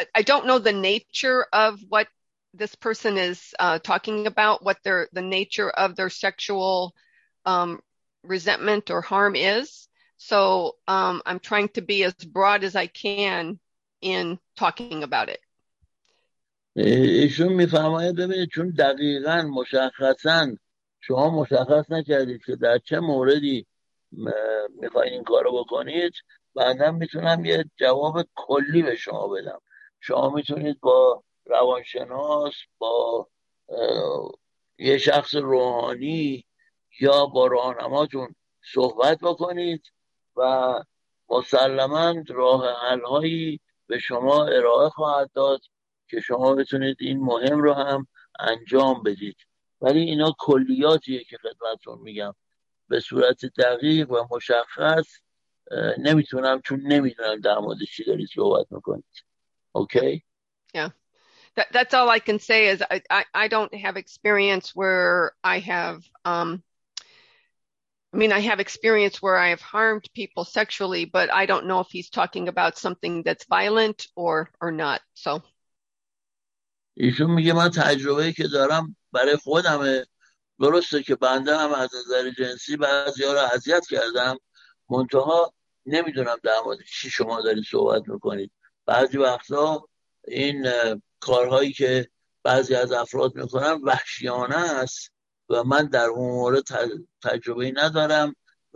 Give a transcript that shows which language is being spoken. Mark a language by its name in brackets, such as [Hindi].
[English] I don't know the nature of what this person is talking about, what the nature of their sexual resentment or harm is. So I'm trying to be as broad as I can in talking about it. [Persian] ایشون میفرماید ببینید چون دقیقاً مشخصاً شما مشخص نکردید که در چه موردی میخواین این کارو بکنید، بعداً میتونم یه جواب کلی به شما بدم. شما میتونید با روانشناس، با یه شخص روحانی یا با راهنماتون صحبت بکنید و مسلماً راه حل‌هایی به شما ارائه خواهد داد که شما بتونید این مهم رو هم انجام بدید. ولی اینا کلیاتیه که خدمتتون میگم، به صورت دقیق و مشخص نمیتونم چون نمیدونم در مورد چی دارید صحبت میکنید. [English] Okay? Yeah. That's all I can say is I don't have experience where I have I have experience where I have harmed people sexually, but I don't know if he's talking about something that's violent or not. So. [Persian] ایشون میگه من تجربه‌ای که دارم برای خودمه. درسته که بنده هم از نظر جنسی بعضی ها رو اذیت کردم، منتها نمیدونم در مورد چی شما دارید صحبت میکنید. بعضی وقتا این کارهایی که بعضی از افراد میکنن وحشیانه است و من در اون مورد تجربه ندارم و